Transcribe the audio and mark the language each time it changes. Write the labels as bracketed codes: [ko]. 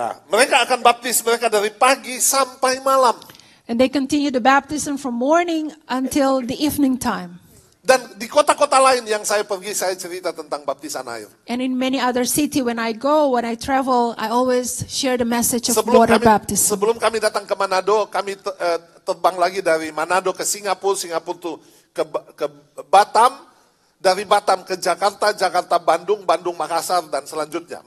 [id] Mereka akan baptis mereka dari pagi sampai malam. [en] And they continue the baptism from morning until the evening time. [id] Dan di kota-kota lain yang saya pergi, saya cerita tentang baptisan air. [en] And in many other city when I go, when I travel, I always share the message of water baptism. [id] Sebelum kami datang ke Manado, kami terbang lagi dari Manado ke Singapura, Singapura tuh ke Batam, dari Batam ke Jakarta, Jakarta Bandung, Bandung Makassar dan selanjutnya.